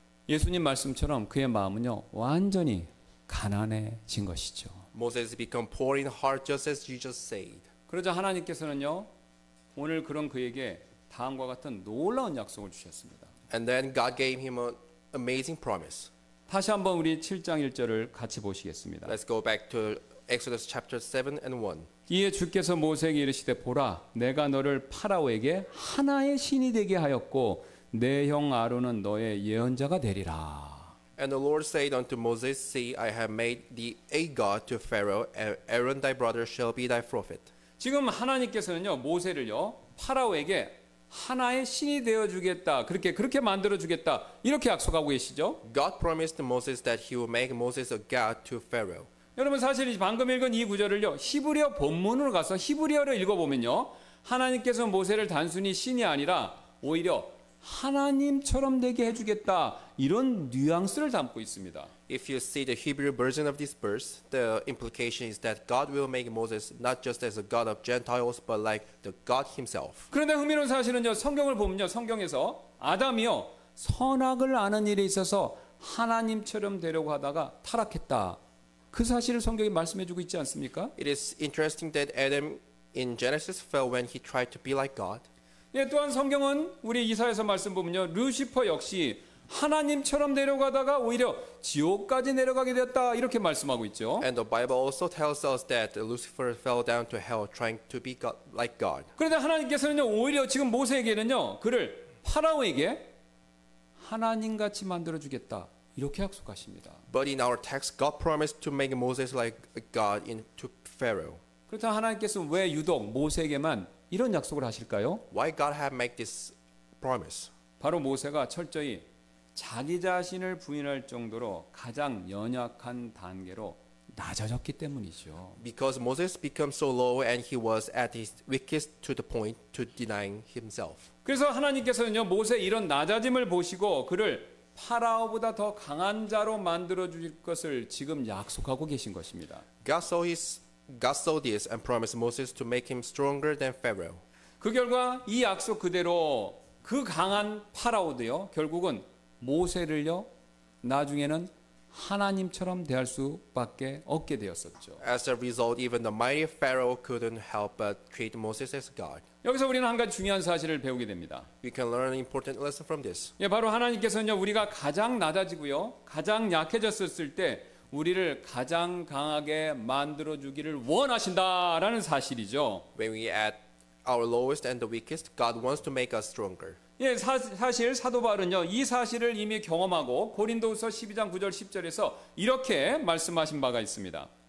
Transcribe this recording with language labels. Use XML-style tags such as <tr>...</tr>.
<ko>예수님 말씀처럼 그의 마음은요 완전히 가난해진 것이죠.</ko> <en>Moses became poor in heart, just as Jesus said.</en> <ko>그러자 하나님께서는요 오늘 그런 그에게 다음과 같은 놀라운 약속을 주셨습니다.</ko> <en>And then God gave him an amazing promise.</en> <ko>다시 한번 우리 7장 1절을 같이 보시겠습니다.</ko> <en>Let's go back to Exodus chapter 7 and 1.</en> <ko>이에 주께서 모세에게 이르시되 보라 내가 너를 파라오에게 하나의 신이 되게 하였고 내 형 아론은 너의 예언자가 되리라.</ko> <en>And the Lord said unto Moses, See, I have made thee a god to Pharaoh, and Aaron thy brother shall be thy prophet.</en> <ko>지금 하나님께서는요 모세를요 파라오에게 하나의 신이 되어 주겠다 그렇게 만들어 주겠다 이렇게 약속하고 계시죠?</ko> <en>God promised Moses that he would make Moses a god to Pharaoh.</en> <ko>여러분 사실 방금 읽은 이 구절을요 히브리어 본문으로 가서 히브리어를 읽어보면요 하나님께서 모세를 단순히 신이 아니라 오히려 하나님처럼 되게 해주겠다 이런 뉘앙스를 담고 있습니다.</ko> <en>If you see the Hebrew version of this verse, the implication is that God will make Moses not just as a God of Gentiles, but like the God Himself.</en> <ko>그런데 흥미로운 사실은요 성경을 보면요 성경에서 아담이요 선악을 아는 일에 있어서 하나님처럼 되려고 하다가 타락했다. 그 사실을 성경이 말씀해주고 있지 않습니까?</ko> <en>It is interesting that Adam in Genesis fell when he tried to be like God.</en> <ko>예, 또한 성경은 우리 이사야서 말씀 보면요, 루시퍼 역시 하나님처럼 내려가다가 오히려 지옥까지 내려가게 되었다 이렇게 말씀하고 있죠.</ko> <en>And the Bible also tells us that Lucifer fell down to hell trying to be God, like God.</en> <ko>그런데 하나님께서는요, 오히려 지금 모세에게는요, 그를 파라오에게 하나님 같이 만들어 주겠다. 이렇게 약속하십니다.</ko> <en>But in our text, God promised to make Moses like a God into Pharaoh.</en> <ko>그렇다면 하나님께서는 왜 유독 모세에게만 이런 약속을 하실까요?</ko> <en>Why God had made this promise?</en> <ko>바로 모세가 철저히 자기 자신을 부인할 정도로 가장 연약한 단계로 낮아졌기 때문이죠.</ko> <en>Because Moses became so low and he was at his weakest to the point to denying himself.</en> <ko>그래서 하나님께서는요 모세 이런 낮아짐을 보시고 그를 파라오보다 더 강한 자로 만들어 주실 것을 지금 약속하고 계신 것입니다.</ko> <en>God saw this and promised Moses to make him stronger than Pharaoh.</en> <ko>그 결과 이 약속 그대로 그 강한 파라오도요 결국은 모세를요 나중에는 하나님처럼 대할 수밖에 없게 되었었죠.</ko> <en>As a result, even the mighty Pharaoh couldn't help but treat Moses as God.</en> <ko>여기서 우리는 한 가지 중요한 사실을 배우게 됩니다.</ko> <en>We can learn an important lesson from this.</en> <ko>예, 바로 하나님께서는요 우리가 가장 낮아지고요 가장 약해졌었을 때 우리를 가장 강하게 만들어 주기를 원하신다라는 사실이죠.</ko> <en>When we at our lowest and the weakest, God wants to make us stronger.</en> <ko>예, 사실 사도 바울은요 이 사실을 이미 경험하고 고린도후서 12장 9절 10절에서 이렇게 말씀하신 바가 있습니다.</ko>